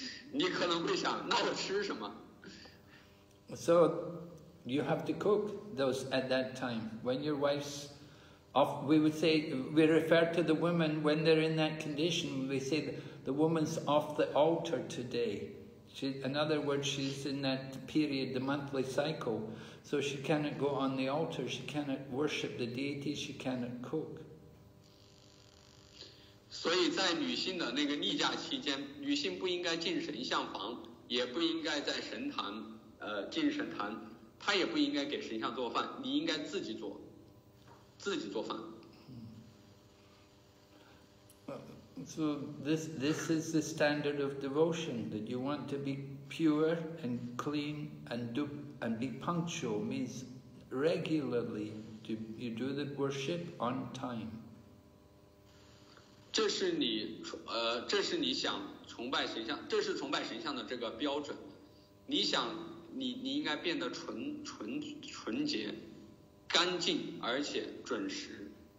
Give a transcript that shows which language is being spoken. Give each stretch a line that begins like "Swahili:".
Chinese: 你可能会想，那我吃什么
English: ？So you have to cook those at that time when your wife's. We refer to the women when they're in that condition. We say the woman's off the altar today. She, in other words, she's in that period, the monthly cycle. So she cannot go on the altar, she cannot worship the deity, she cannot cook.
Chinese: 所以在女性的那个例假期间，女性不应该进神像房，也不应该在神坛，进神坛，她也不应该给神像做饭，你应该自己做。 So this is the standard of devotion, that you want to be pure and clean and be punctual, means regularly you do the worship on time. 这是你想崇拜神像，这是崇拜神像的这个标准。你想你应该变得纯洁。干净而且准时。